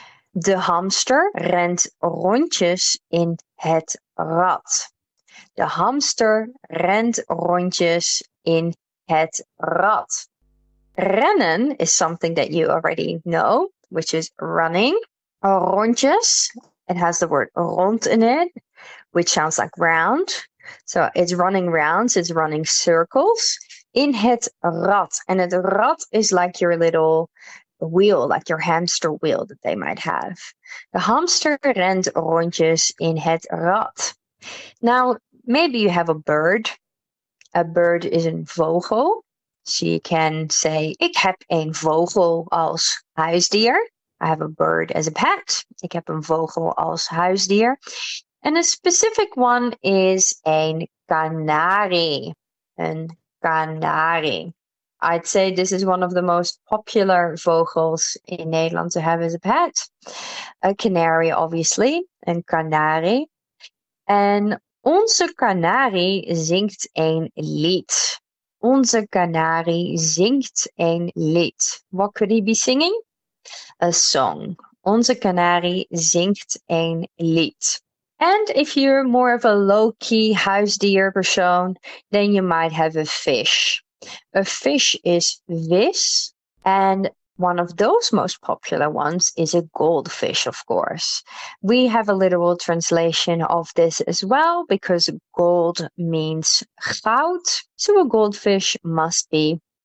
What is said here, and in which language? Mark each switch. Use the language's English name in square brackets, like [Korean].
[Dutch] De hamster rent rondjes in het rad. De hamster rent rondjes in het rad. [English] Rennen is something that you already know, which is running. Rondjes, it has the word rond in it, which sounds like round. So it's running rounds, it's running circles. [Dutch] In het rad. [English] And het rad is like your little wheel, like your hamster wheel that they might have. [Dutch] The hamster rent rondjes in het rad. [English] Now, maybe you have a bird. A bird is een vogel. So you can say, [Dutch] ik heb een vogel als huisdier. [English] I have a bird as a pet. [Dutch] Ik heb een vogel als huisdier. [English] And a specific one is een kanari. [Dutch] Een kanari. [English] I'd say this is one of the most popular vogels in Nederland to have as a pet. A canary, obviously. Een kanari. And [Dutch] Onze kanarie zingt een lied. Onze kanarie zingt een lied. [English] What could he be singing? A song. [Dutch] Onze kanarie zingt een lied. [English] And if you're more of a low-key huisdier persoon, then you might have a fish. A fish is vis, and one of those most popular ones is a goldfish, of course. We have a literal translation of this as well, because gold means goud, so a goldfish must be.